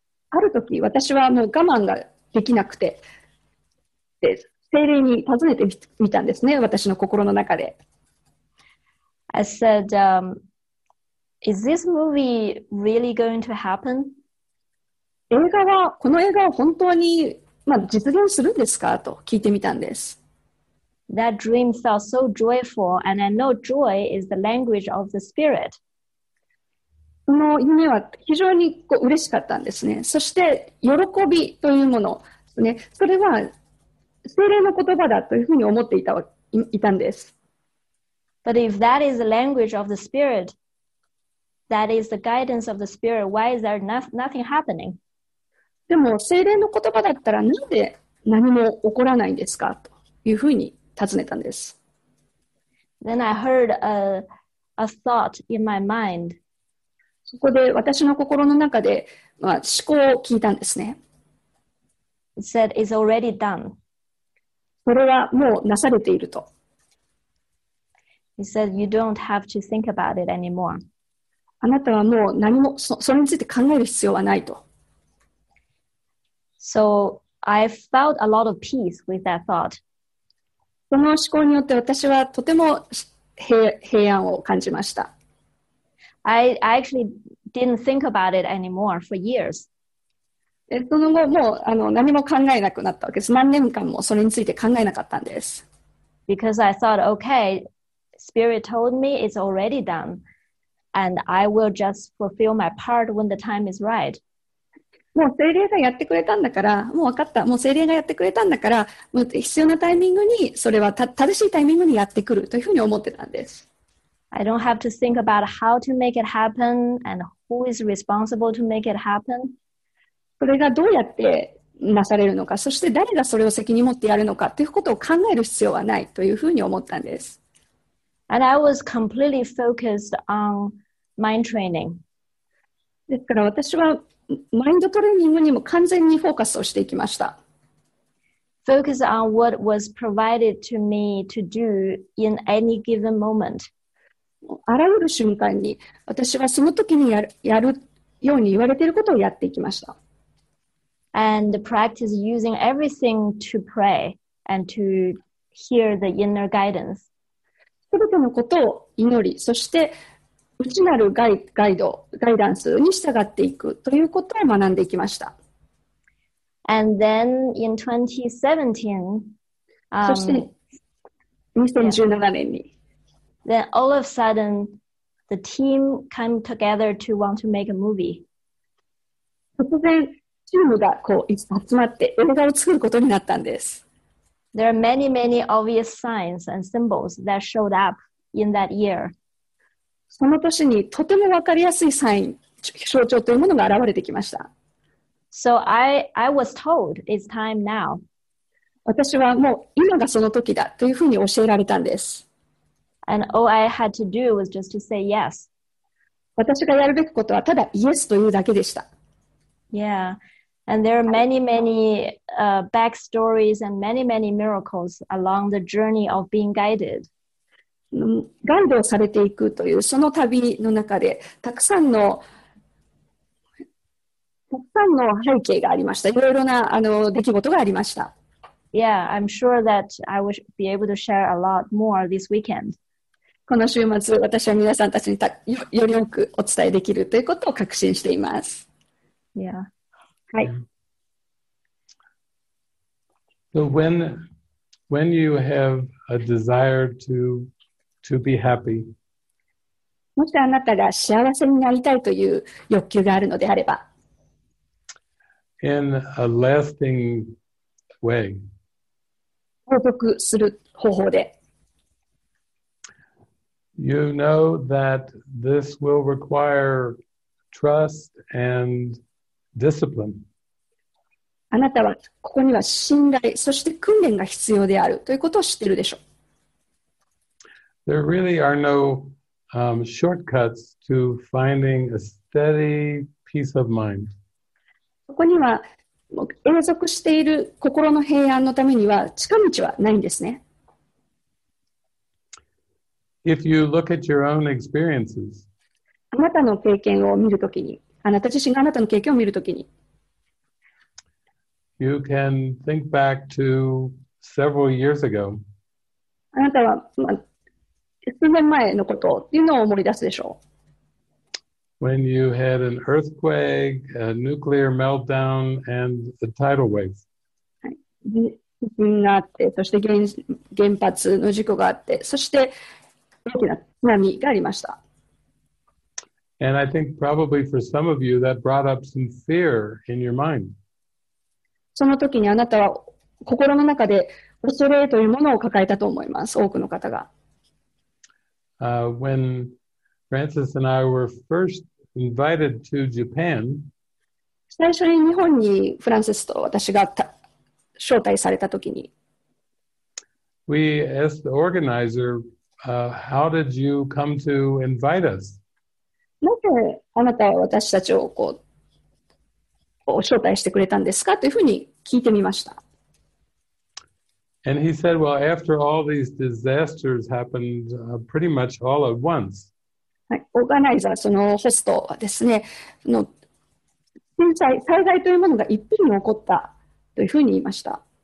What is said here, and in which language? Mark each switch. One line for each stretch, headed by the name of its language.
Japanese: ある時、私はもう我慢ができなくて、で、精霊に尋ねてみたんですね、私の心の中で。
English: I said, is this movie really going to happen?
Japanese: 映画は、この映画は本当に、実現するんですかと聞いてみたんです。
English: That dream felt so joyful, and I know joy is the language of the spirit.
Japanese: その夢は非常にこう嬉しかったんですね。そして喜びというもの、ね、それは精霊の言葉だというふうに思っていた、いたんです。
English: But if that is the language of the spirit, that is the guidance of the spirit, why is there nothing happening?
Japanese: でも精霊の言葉だったらなんで何も起こらないんですかというふうに尋ねたんです。
English: Then I heard a thought in my mind.
Japanese: そこで私の心の中で、思考を聞いたんですね。
English: It said, it's already done.
Japanese: それはもうなされていると。
English: It said, you don't have to think about it anymore.
Japanese: あなたはもう何も、それについて考える必要はないと。
English: So I felt a lot of peace with that thought.
Japanese: その思考によって私はとても平安を感じました。
English: I actually didn't think about it anymore for years.
Japanese: その後もう何も考えなくなったわけです。何年間もそれについて考えなかったんです。
English: Because I thought, okay, Spirit told me it's already done, and I will just fulfill my part when the time is right.
Japanese: もう聖霊がやってくれたんだから、もう分かった。もう聖霊がやってくれたんだから、もう必要なタイミングに、それは正しいタイミングにやってくるというふうに思ってたんです。
English: I don't have to think about how to make it happen and who is responsible to make it happen.
Japanese: それがどうやってなされるのか、そして誰がそれを責任を持ってやるのかということを考える必要はないというふうに思ったんです。
English: And I was completely focused on mind training.
Japanese: ですから私はマインドトレーニングにも完全にフォーカスをしていきました。
English: Focus on what was provided to me to do in any given moment.
Japanese: あらゆる瞬間に私はその時にやるように言われていることをやっていきました。
English: And practice using everything to pray and to hear the inner guidance.
Japanese: 全てのことを祈り、そして内なるガイド、ガイダンスに従っていくということを学んでいきました。
English: And then in 2017,
Japanese: そして2017年に、
English: then all of a sudden the team came together to want to make a movie.
Japanese: 突然チームがこう集まって映画を作ることになったんです。
English: There are many, many obvious signs and symbols that showed up in that year.
Japanese: その年にとてもわかりやすいサイン、象徴というものが現れてきました。
English: So I was told it's time now.
Japanese: 私はもう今がその時だというふうに教えられたんです。
English: And all I had to do was just to say yes.
Japanese: 私がやるべきことはただイエスというだけでした。
English: Yeah, and there are many, many backstories and many, many miracles along the journey of being guided.
Japanese: ガイドをされていくというその旅の中でたくさんの背景がありました。いろいろな出来事がありました。
English: Yeah, I'm sure that I will be able to share a lot more this weekend.
Japanese: この週末、私は皆さんたちにより多くお伝えできるということを確信しています。
English: Yeah.
Japanese: はい。
English: So when you have a desire to be happy,
Japanese: もしあなたが幸せになりたいという欲求があるのであれば、
English: in a lasting way,
Japanese: 継続する方法で、
English: you know that this will require trust and discipline.
Japanese: あなたはここには信頼、そして訓練が必要であるということを知っているでしょう。
English: There really are no shortcuts to finding a steady peace of mind.
Japanese: ここには永続している心の平安のためには近道はないんですね。
English: If you look at your own experiences,
Japanese: あなたの経験を見るときに、あなた自身があなたの経験を見るときに、
English: you can think back to several years ago.
Japanese: あなたは、数年前のことっていうのを思い出すでしょう。
English: When you had an earthquake, a nuclear meltdown, and a tidal wave.
Japanese: 地震があって、そして原発の事故があって、そして大きな津波がありました。
English: And I think probably for some of you that brought up some fear in your mind.
Japanese: その時にあなたは心の中で恐れというものを抱えたと思います、多くの方が。
English: When Francis and I were first invited to Japan,
Japanese: 最初に日本にフランシスと私が招待されたときに、
English: We asked the organizer, how did you come to invite us?
Japanese: なぜあなたは私たちをこう招待してくれたんですかというふうに聞いてみました。
English: And he said, well, after all these disasters happened, pretty much all at once.
Japanese: オーガナイザー、そのホストはですね、災害というものが一気に起こったというふうに言いました。